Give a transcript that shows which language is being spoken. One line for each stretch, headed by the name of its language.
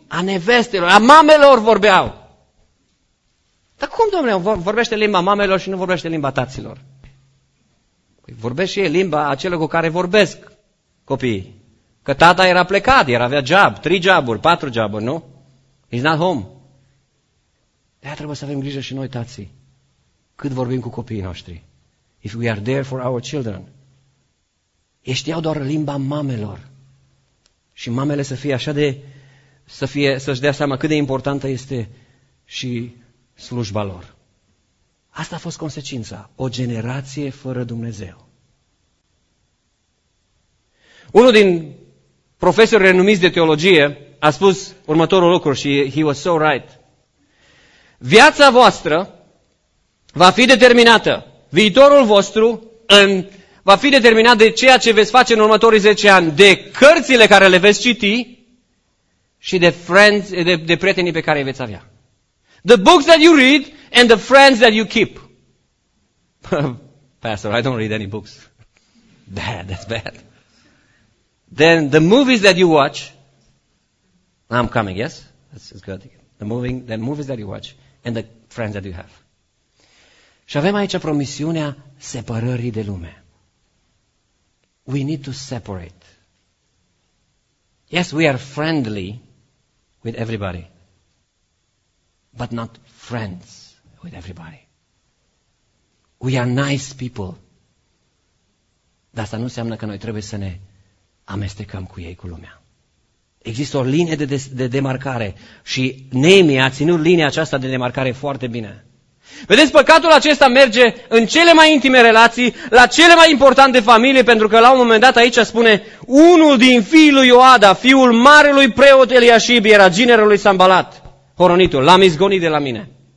Romanian: A nevestelor, a mamelor vorbeau. Dar cum, domnule, vorbește limba mamelor și nu vorbește limba taților? Păi vorbesc și ei limba acelor cu care vorbesc copiii. Că tata era plecat, era avea job, 3 joburi, 4 joburi, nu?
English: He's not home.
Romanian: De-aia trebuie să avem grijă și noi, tații, cât vorbim cu copiii noștri.
English: If we are there for our children.
Romanian: Ei știau doar limba mamelor. Și mamele să fie așa de, să-și dea seama cât de importantă este și slujba lor. Asta a fost consecința. O generație fără Dumnezeu. Unul din profesorii renumiți de teologie a spus următorul lucru și
English: he was so right.
Romanian: Viața voastră va fi determinată, viitorul vostru va fi determinat de ceea ce veți face în următorii 10 ani, de cărțile care le veți citi și de friends, de prietenii pe care îi veți avea.
English: The books that you read and the friends that you keep. Pastor, I don't read any books. Bad, that's bad. Then the movies that you watch, I'm coming, yes? That's good. The movies that you watch and the friends that you have.
Romanian: Și avem aici promisiunea separării de lume.
English: We need to separate. Yes, we are friendly with everybody, but not friends with everybody. We are nice people.
Romanian: Dar asta nu înseamnă că noi trebuie să ne amestecăm cu ei, cu lumea. Există o linie de demarcare și Neemia a ținut linia aceasta de demarcare foarte bine. Vedeți, păcatul acesta merge în cele mai intime relații, la cele mai importante familii, pentru că la un moment dat aici spune unul din fiii lui Ioada, fiul marelui preot Eliashib, era ginerul lui Sambalat, horonitul, l-am izgonit de la mine.